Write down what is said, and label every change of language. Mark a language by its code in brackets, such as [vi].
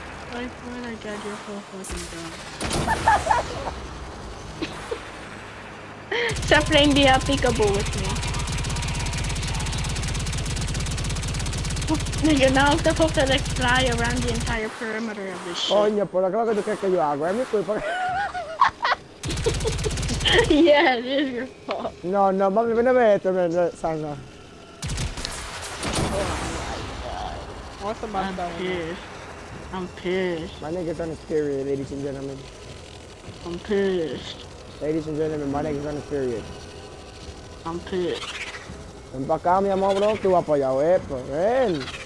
[en] I swear to God, you're so fucking dumb. Stop playing the peekaboo with me. Nigga, now I'm supposed to like fly around the entire perimeter of this shit. [es] Coño, por lo que tú crees que yo hago, es mi culpa. [en] Yeah, it is your fault. [es] No, mami, ven a ver esto, ven, Sandra. [en] Oh my god. What's the matter with that one? I'm pissed. My nigga's on a period, ladies and gentlemen. I'm pissed. Ladies and gentlemen, my nigga's on a period. I'm pissed. [es] Ven pa' acá, mi amor, bro, que voy a apoyar, pa' ven.